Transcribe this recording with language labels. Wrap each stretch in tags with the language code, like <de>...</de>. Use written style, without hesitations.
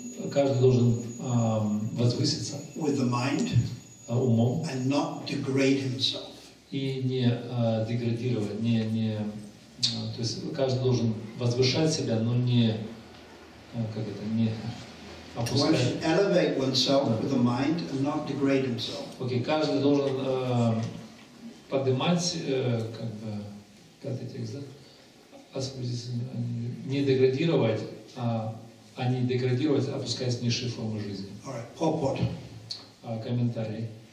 <ru>Каждый должен возвыситься.</ru> <en>With the mind.</en> <ru>Умом.</ru> <en>And not degrade himself.</en> <ru>И не деградировать, то есть каждый должен возвышать себя, но не как это, не опускать.</ru> <en>One should elevate oneself with the mind and not degrade himself.</en> <ru>Окей, каждый должен поднимать, как бы, пятый текст, да? Не деградировать, а не деградировать, опускаясь в низшие формы жизни.</ru> <en>Alright, purport.</en> <ru>Комментарий.</ru>